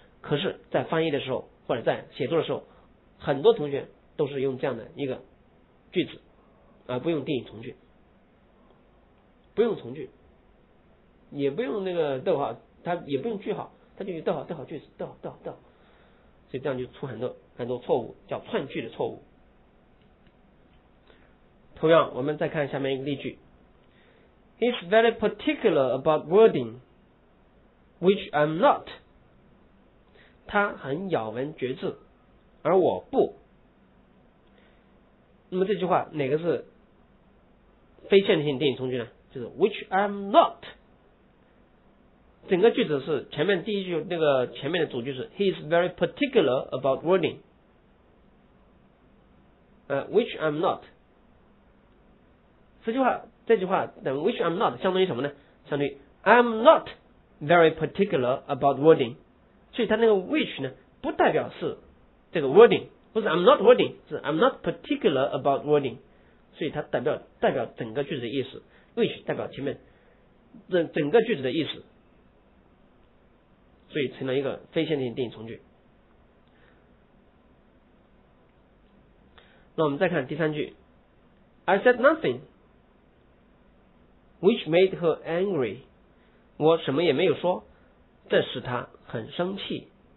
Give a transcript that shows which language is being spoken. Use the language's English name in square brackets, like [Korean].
[Chinese] 可是，在翻译的时候或者在写作的时候，很多同学都是用这样的一个句子，而不用定语从句，不用从句。也不用那个逗号，它也不用句号，它就用逗号句子，逗号，所以这样就出很多很多错误，叫串句的错误。同样，我们再看下面一个例句 ： He's very particular about wording, which I'm not。他很咬文嚼字，而我不。那么这句话哪个是非线性定语从句呢？就是 which I'm not。整个句子是前面第一句那个前面的主句是 He is very particular about wording， which I'm not。这句话等 which I'm not 相当于什么呢？ [English] 相当于 I'm not very particular about wording。 [Chinese] 所以它那个 which 呢，不代表是这个 wording， 不是 I'm not wording，是 I'm not particular about wording。所以它代表整个句子的意思， which 代表前面整个句子的意思，所以成了一个非线性定语从句。那我们再看第三句 I said nothing which made her angry，我什么也没有说，这使她很生气。